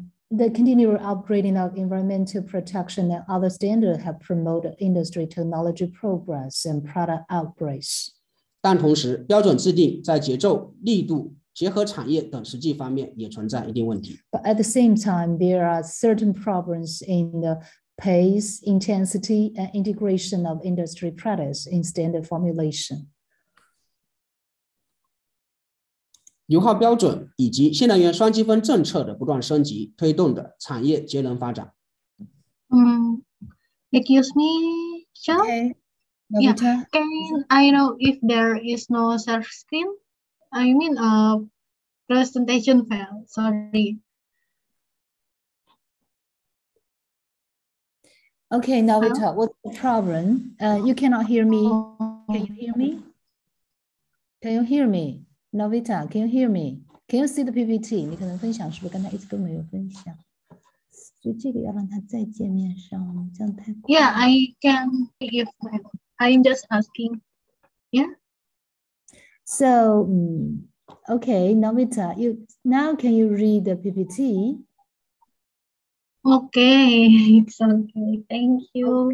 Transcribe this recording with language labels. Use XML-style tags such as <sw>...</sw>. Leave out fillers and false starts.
<en>The continual upgrading of environmental protection and other standards have promoted industry technology progress and product upgrades.</en> <zh>但同时，标准制定在节奏、力度、结合产业等实际方面也存在一定问题。</zh> <en>But at the same time, there are certain problems in the pace, intensity, and integration of industry practice in standard formulation.</en> <zh>油耗标准以及新能源双积分政策的不断升级推动的产业节能发展。</zh> <en>Excuse me, Chen? Okay. Yeah. Can I know if there is no search screen? I mean, presentation file, sorry. Okay, now we talk. What's the problem? You cannot hear me. Can you hear me? Can you hear me? Novita, can you hear me? Can you see the PPT?</en> <zh>你可能分享是不是刚才一直都没有分享？所以这个要让他再界面上，这样太快。</zh> <en>Yeah, I can give my. I'm just asking. Yeah. So, okay, Novita, you now can you read the PPT? Okay, it's okay. Thank you.</en>